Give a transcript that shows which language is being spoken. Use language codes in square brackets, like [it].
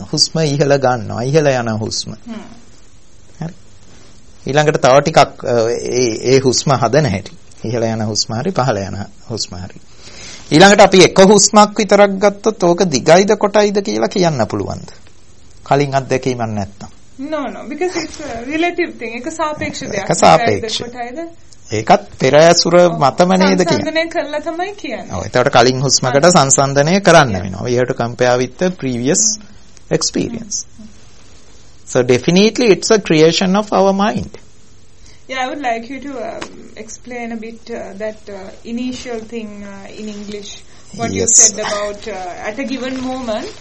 [si] හුස්ම ඉහළ ගන්නවා, ඉහළ යන හුස්ම. හරි. ඊළඟට තව ටිකක් ඒ හුස්ම හදන හැටි. ඉහළ යන හුස්ම හරි පහළ යන හුස්ම හරි. ඊළඟට අපි එක හුස්මක් විතරක් ගත්තොත් ඕක දිගයිද කොටයිද කියලා කියන්න පුළුවන්ද? කලින් අත්දැකීමක් නැත්තම්. [en] No, because it's a relative thing. [si] ඒක සාපේක්ෂ දෙයක්. ඒක සාපේක්ෂ. ඒකත් පෙර ඇසුර මතම නේද කියන්නේ. සංසන්දනය කළා තමයි කියන්නේ. ඔව්. එතකොට කලින් හුස්මකට සංසන්දනය කරන්න වෙනවා. [en] We have to compare with the previous experience. So definitely it's a creation of our mind. Yeah, I would like you to explain a bit that initial thing in English. What yes. you said about at a given moment.